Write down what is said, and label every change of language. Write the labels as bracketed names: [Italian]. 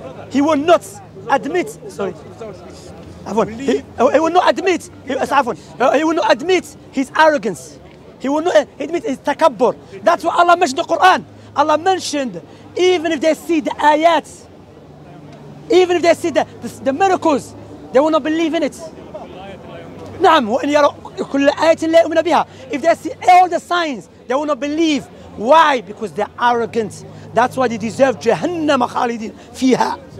[English] He will not admit, sorry. He will not admit, he will not admit his arrogance. He will not admit his takabbur. That's what Allah mentioned in the Quran. Allah mentioned, even if they see the ayats, even if they see the miracles, they will not believe in it. [Arabic] نعم وإن يروا كل آية لا يؤمن بها. [English] If they see all the signs, they will not believe. Why? Because they're arrogant. That's why they deserve [Arabic] جهنم خالدين فيها.